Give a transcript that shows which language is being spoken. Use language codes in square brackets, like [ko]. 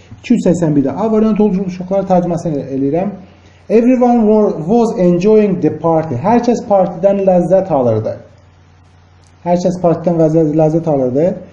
[az] 281-də A variantı olacaq uşaqlar. Tərcüməsini eləyirəm. [en] Everyone was enjoying the party. [az] Hər kəs partidən ləzzət alırdı. Hər kəs partidən ləzzət alırdı.